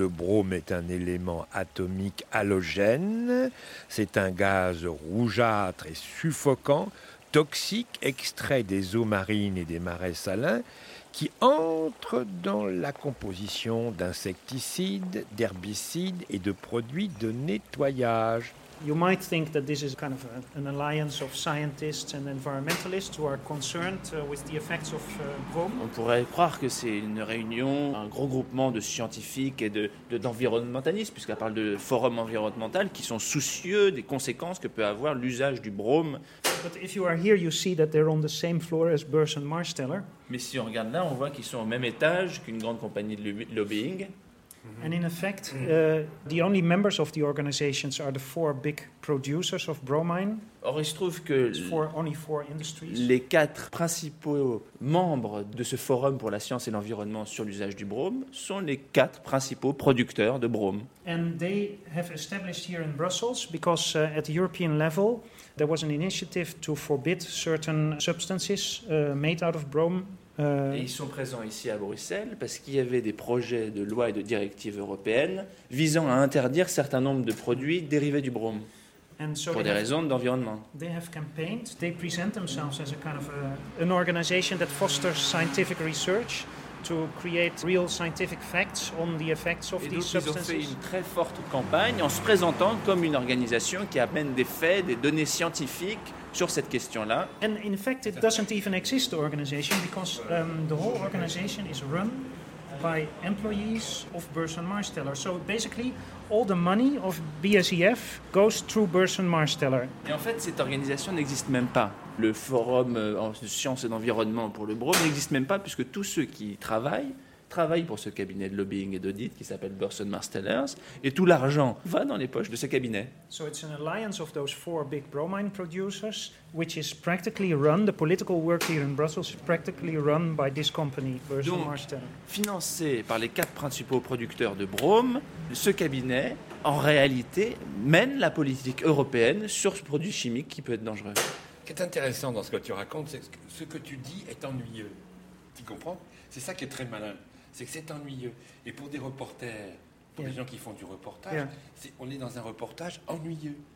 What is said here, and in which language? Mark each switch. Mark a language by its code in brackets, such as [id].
[fr] Le brome est un élément atomique halogène. C'est un gaz rougeâtre et suffocant, toxique, extrait des eaux marines et des marais salins, qui entre dans la composition d'insecticides, d'herbicides et de produits de nettoyage. [en] You might think that this is kind of an alliance of scientists and environmentalists who are concerned with the effects of brome. [fr] On pourrait croire que c'est une réunion, un gros groupement de scientifiques et de d'environnementalistes, puisqu'elle parle de forum environnemental, qui sont soucieux des conséquences que peut avoir l'usage du brome. [en] But if you are here, you see that they're on the same floor as Burson & Marsteller. [fr] Mais si on regarde là, on voit qu'ils sont au même étage qu'une grande compagnie de lobbying. [en] And in effect, the only members of the organizations are the four big producers of bromine. [fr] Or, il se trouve que [en] four industries. [fr] Les quatre principaux membres de ce forum pour la science et l'environnement sur l'usage du brome sont les quatre principaux producteurs de brome. [en] And they have established here in Brussels because at the European level there was an initiative to forbid certain substances made out of brome. [fr] Et ils sont présents ici à Bruxelles parce qu'il y avait des projets de loi et de directives européennes visant à interdire certain nombre de produits dérivés du brome pour des raisons d'environnement. [en] They have campaigned, they present themselves as a kind of an organization that fosters scientific research to create real scientific facts on the effects of these substances. [fr] Et donc ils ont fait une très forte campagne en se présentant comme une organisation qui amène des faits, des données scientifiques sur cette question-là. [en] And in fact, it doesn't even exist, the organization, because the whole organization is run by employees of Burson & Marsteller. So basically, all the money of BSEF goes through Burson & Marsteller. [fr] Et en fait, cette organisation n'existe même pas. Le forum en sciences et d'environnement pour le brome n'existe même pas, puisque tous ceux qui travaillent pour ce cabinet de lobbying et d'audit qui s'appelle Burson & Marsteller, et tout l'argent va dans les poches de ce cabinet. [en] So it's an alliance of those four big bromine producers, which is practically run, the political work here in Brussels is practically run by this company, Burson & Marsteller. [fr] Donc, financé par les quatre principaux producteurs de brome, ce cabinet, en réalité, mène la politique européenne sur ce produit chimique qui peut être dangereux. Ce qui est intéressant dans ce que tu racontes, c'est que ce que tu dis est ennuyeux. Tu comprends? C'est ça qui est très malin, c'est que c'est ennuyeux. Et pour des reporters, pour les gens qui font du reportage, on est dans un reportage ennuyeux.